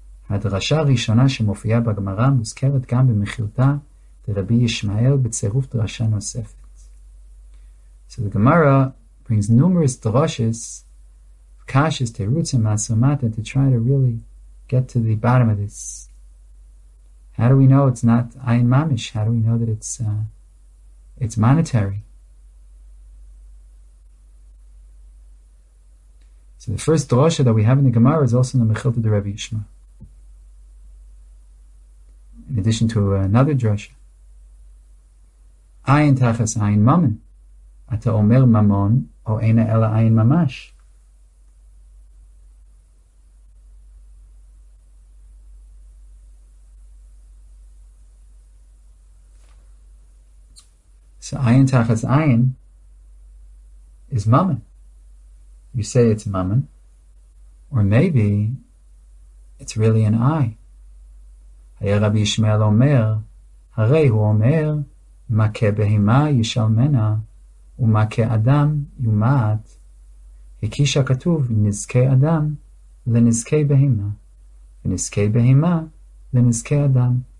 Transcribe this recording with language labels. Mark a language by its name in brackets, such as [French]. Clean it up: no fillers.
[Hebrew] הדרשה הראשונה שמופיעה בגמרא מוזכרת גם במחילתה לרבי ישמעאל בצירוף דרשה נוספת. [English] So the Gemara brings numerous drashes, kashes, terutzim, masomata, to try to really get to the bottom of this. How do we know it's not ayin mamish? How do we know that it's monetary? So the first drasha that we have in the Gemara is also in the Mechilta de Rabbi Yishmael. In addition to another drasha, [Hebrew] ayin tachas ayin mamon, ata omer mamon o eina ela ayin mamash. [English] So ayin tachas ayin is mamon. You say it's mamon, or maybe it's really an eye. Rabbi Yishmael [Hebrew] Omer, Harei Hu Omer, מכה בהמה ישלמנה, ומכה אדם יומעת. הקיש הכתוב נזקי אדם לנזקי בהמה, ונזקי בהמה לנזקי אדם.